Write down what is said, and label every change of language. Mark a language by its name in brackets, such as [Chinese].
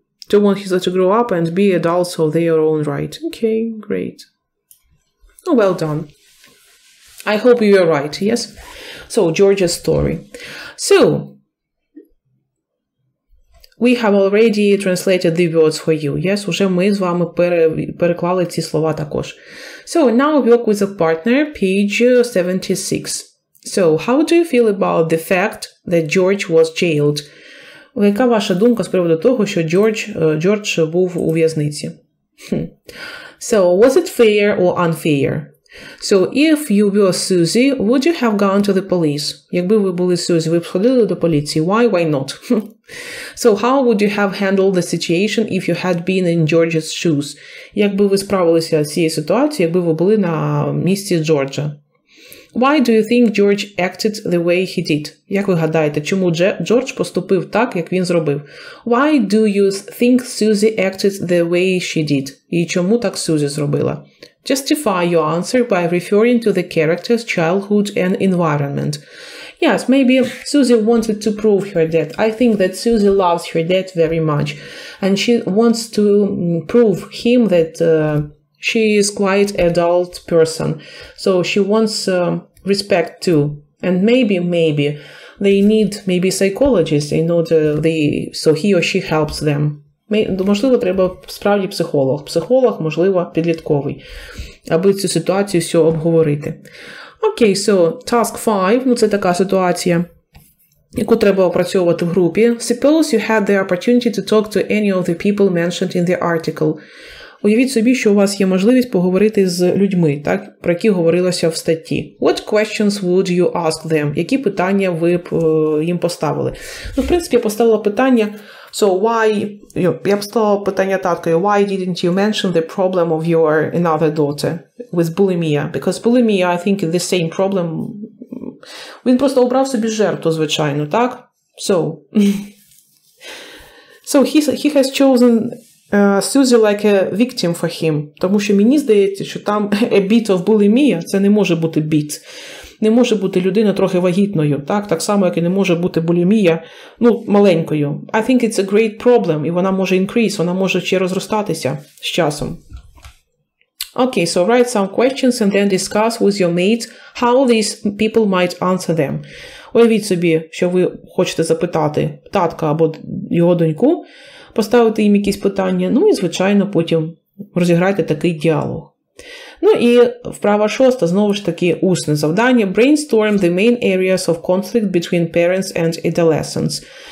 [English] To want his daughter to grow up and be adults of their own right. Okay, great. Oh, well done. I hope you are right, yes? So, George's story. So, we have already translated the words for you. [Ukrainian] Yes, уже ми з вами переклали ці слова також. [English] So, now work with a partner, page 76. So, how do you feel about the fact that George was jailed? [Ukrainian] Яка ваша думка з приводу того, що Джордж був у в'язниці? [English] So, was it fair or unfair? So, if you were Susie, would you have gone to the police? [Ukrainian] Якби ви були Сюзі, ви б сходили до поліції. [English] Why not? So, how would you have handled the situation if you had been in George's shoes? [Ukrainian] Якби ви справилися з цією ситуацією, якби ви були на місці Джорджа? [English] Why do you think George acted the way he did? [Ukrainian] Як ви гадаєте, чому Джордж поступив так, як він зробив? [English] Why do you think Susie acted the way she did? [Ukrainian] І чому так Сюзі зробила? [English] Justify your answer by referring to the character's childhood and environment. Yes, maybe Susie wanted to prove her dad. I think that Susie loves her dad very much. And she wants to prove him that... She is quite an adult person, so she wants respect too. And maybe they need maybe psychologist in order they so he or she helps them. [Ukrainian] Можливо, треба справді психолог. Психолог, можливо, підлітковий, аби цю ситуацію все обговорити. [English] Okay, so task 5, [Ukrainian] ну це така ситуація, яку треба опрацьовувати в групі. [English] Suppose you had the opportunity to talk to any of the people mentioned in the article. [Ukrainian] Уявіть собі, що у вас є можливість поговорити з людьми, так, про які говорилося в статті. [English] What questions would you ask them? [Ukrainian] Які питання ви б їм поставили? Ну, в принципі, я поставила питання, [English] so why, [Ukrainian] я поставила питання таткою, [English] why didn't you mention the problem of your another daughter with bulimia? Because bulimia, I think, the same problem. [Ukrainian] Він просто обрав собі жертву, звичайно, так? [English] So, he has chosen... Susie like a victim for him. [Ukrainian] Тому що мені здається, що там [English] a bit of bulimia, [Ukrainian] це не може бути bit. Не може бути людина трохи вагітною, так? Так само, як і не може бути булімія, ну, маленькою. [English] I think it's a great problem, [Ukrainian] і вона може increase, вона може ще розростатися з часом. [English] Okay, so write some questions and then discuss with your mates how these people might answer them. [Ukrainian] Уявіть собі, що ви хочете запитати татка або його доньку, поставити їм якісь питання, ну і, звичайно, потім розіграти такий діалог. Ну і вправа шоста, знову ж таки, усне завдання. [English] Brainstorm the main areas of conflict between parents and adolescents.